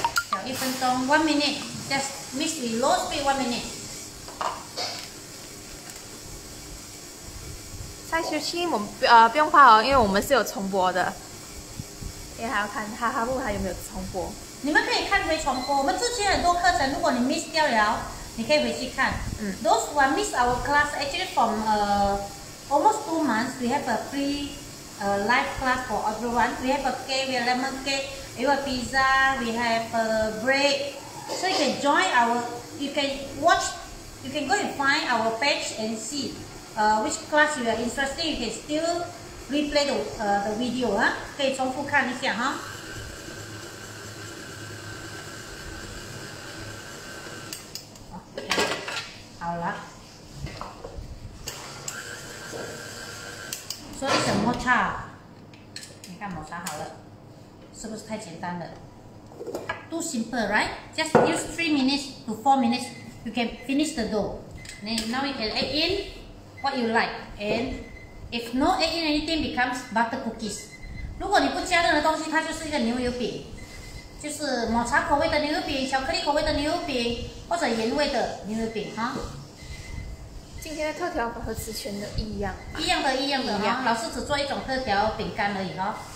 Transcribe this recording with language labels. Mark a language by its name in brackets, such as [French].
[Chinese] 搅一分钟 [English] ，one minute， just mix with low speed 1 minute。 [Chinese] 蔡秀清，我们不用怕哦，因为我们是有重播的，也还要看哈哈木还有没有重播。你们可以看回重播，我们之前很多课程，如果你 miss 掉了。你可以回去看。嗯。 [English] Those who miss our class, actually from almost 2 months, we have a free live class for everyone. We have a cake, we have lemon cake, we have pizza, we have bread. So you can join our, you can watch, you can go and find our page and see which class you are interested in. You can still replay the video, huh? [Chinese] 可以重复看一下哈。好了，所以什么茶？你看抹茶好了，是不是太简单了 ？ [English] Too simple, right? Just use 3 minutes to 4 minutes, you can finish the dough. Then now you can add in what you like, and if no add in anything becomes butter cookies. [Chinese] 如果你不加任何东西，它就是一个牛油饼，就是抹茶口味的牛油饼、巧克力口味的牛油饼或者盐味的牛油饼，哈。今天的特调和之前的一样，一样的，一样的哈。老师只做一种特调饼干而已哈。